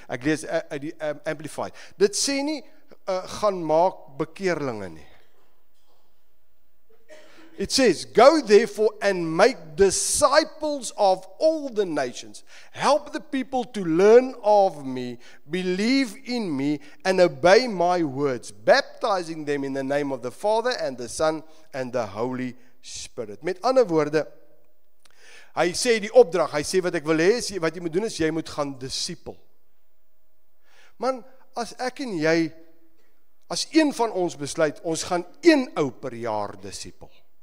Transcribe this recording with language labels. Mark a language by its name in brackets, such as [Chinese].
[Afrikaans] Ek lees uit die Amplified. Dit sê nie, gaan maak bekeerlinge nie. [English] It says, go therefore and make disciples of all the nations. Help the people to learn of me, believe in me, and obey my words, baptizing them in the name of the Father and the Son and the Holy Spirit. [Afrikaans] Met ander woorde, hy sê die opdrag, hy sê wat ek wil hê, wat jy moet doen is, jy moet gaan disciple. Man, as ek en jy, as een van ons besluit, ons gaan een ou per jaar disciple.